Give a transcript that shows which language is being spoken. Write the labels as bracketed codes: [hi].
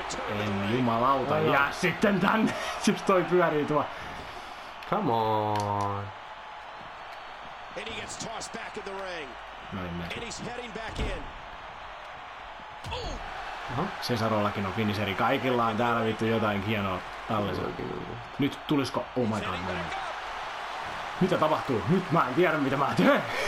[fi] En jumalauta, jää sitten tänne, just toi pyörii tuo. [en] Come on. And he gets tossed back in the ring. And he's heading back in. [fi] Cesarollakin on finisheri, kaikilla on täällä vittu jotain hienoa tallessa. Nyt tulisko, [en] oh my god, man. [fi] Mitä tapahtuu? Nyt mä en tiedä mitä mä teen.